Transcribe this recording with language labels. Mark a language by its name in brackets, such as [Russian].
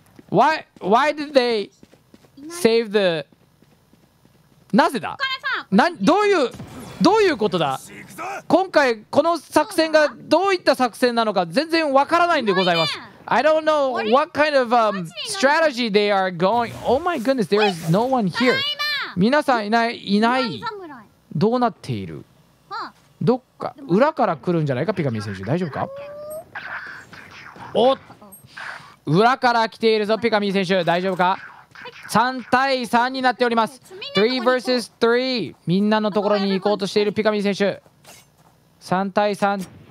[English] Why did they save the？ [Japanese] なぜだ？なん、どういうことだ？今回この作戦がどういった作戦なのか全然わからないんでございます。 [English] I don't know what kind of strategy they are going. Oh my goodness, there is no one here. [Japanese] 皆さんいない、いない。どうなっている？どっか裏から来るんじゃないか、ピカミー選手。大丈夫か？お、裏から来ているぞ、ピカミー選手。大丈夫か？三対三になっております。 [English] Three versus three。 [Japanese] みんなのところに行こうとしているピカミー選手。三対三。